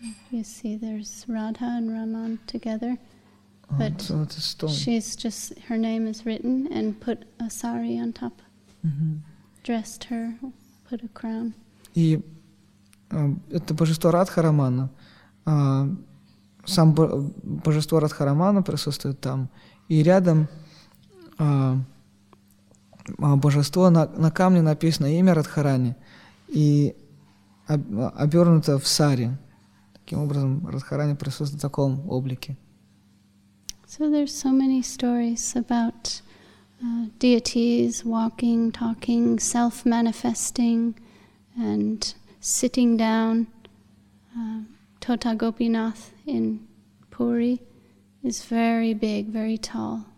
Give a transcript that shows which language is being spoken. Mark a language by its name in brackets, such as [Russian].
[English] You see, there's Radha and Raman together, but she's just, her name is written and put a sari on top, dressed her, put a crown. [Russian] И это божество Радхарамана, сам божество Радхарамана присутствует там, и рядом божество, на камне написано имя Радхарани, и обернуто в сари. Таким образом, Радхарани присутствует в таком облике. [English] So there's so many stories about deities walking, talking, self-manifesting, and sitting down. Tota Gopinath in Puri is very big, very tall.